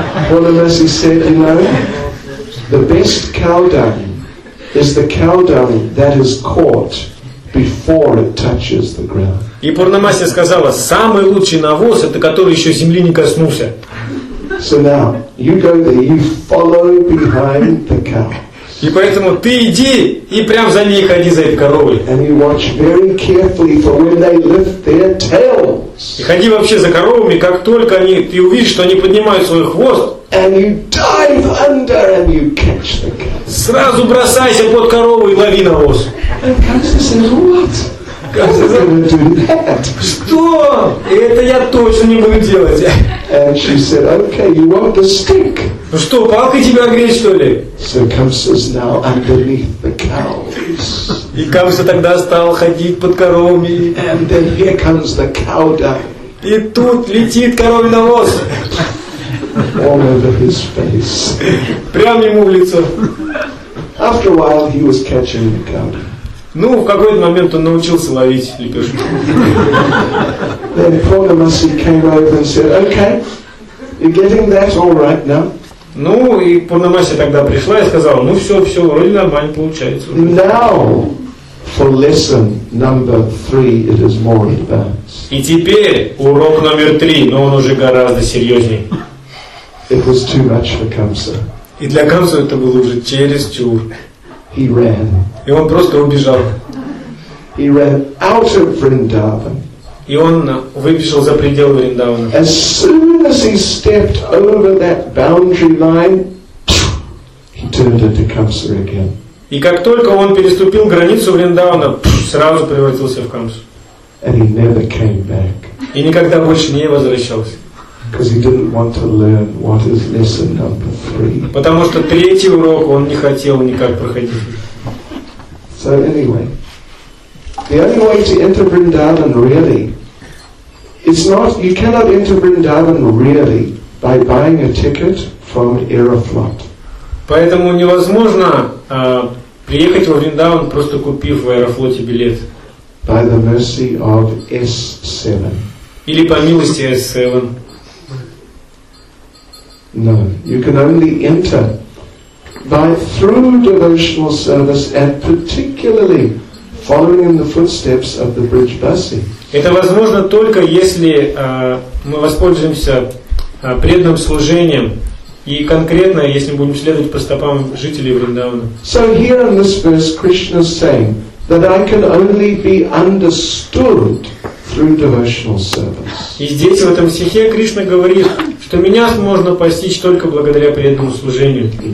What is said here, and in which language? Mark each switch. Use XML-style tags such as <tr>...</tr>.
<en>Pornamasi said, "You know, the best cow dung is the cow dung that is caught before it touches the ground."</en> <ru>И Пурнамаси сказала: "Самый лучший навоз — это который еще земли не коснулся."</ru> <en>So now you go there, you follow behind the cow.</en> <ru>И поэтому ты иди и прям за ней ходи, за этой коровой.</ru> <en>And you watch very carefully for when they lift their tails.</en> <ru>И ходи вообще за коровами, как только ты увидишь, что они поднимают свой хвост.</ru> <en>And you dive under and you catch the cow.</en> <ru>Сразу бросайся под корову и лови навоз.</ru> <en>And Kamsa says, "What? Kamsa going to do that?"</en> <ru>Что? Это я точно не буду делать.</ru> <en>And she said, "Okay, you want the stick?"</en> <ru>Ну что, палкой тебя огреть, что ли?</ru> <en>So Kamsa is now underneath the cows.</en> <ru>И Kamsa тогда стал ходить под коровами.</ru> <en>And then here comes the cow dung.</en> <ru>И тут летит коровий навоз.</ru> <en>All over his face.</en> <ru>Прямо ему в лицо.</ru> <en>After a while, he was catching the cow dung.</en> <ru>Ну, в какой-то момент он научился ловить лепешку.</ru> <en>Then Pergamus came over and said, "Okay, you're getting that all right now."</en> <ru>Ну, и Пурнамасия тогда пришла и сказала, ну все, все, вроде нормально получается. Уже.</ru> <en>Now, for lesson number three, it is more advanced.</en> <ru>И теперь урок номер три, но он уже гораздо серьезнее.</ru> <en>It was too much for Камса.</en> <ru>И для Камса это было уже чересчур.</ru> <en>He ran.</en> <ru>И он просто убежал.</ru> <en>He ran out of Vrindavan.</en> <ru>И он выбежал за пределы Вриндавана.</ru> <en>As soon as he stepped over that boundary line, he turned into Kamsa again.</en> <ru>И как только он переступил границу Вриндавана, сразу превратился в Камсу.</ru> <en>And he never came back.</en> <ru>И никогда больше не возвращался.</ru> <en>Because he didn't want to learn what is lesson number three.</en> <ru>Потому что третий урок он не хотел никак проходить.</ru> <en>So anyway, the only way to enter Vrindavan really, it's not, you cannot enter Vrindavan really by buying a ticket from Aeroflot.</en> <ru>Поэтому невозможно приехать во Вриндаван, просто купив в Аэрофлоте билет.</ru> <en>By the mercy of S7.</en> <ru>Или по милости S7.</ru> <en>No, you can only enter by through devotional service and particularly following in the footsteps of the bridge busi.</en> <ru>Это возможно только если мы воспользуемся преданным служением и конкретно если будем следовать по стопам жителей Вриндавана.</ru> <en>So here in this verse, Krishna is saying that I can only be understood through devotional service.</en> <ru>И здесь в этом стихе Кришна говорит, что меня можно постичь только благодаря преданному служению.</ru>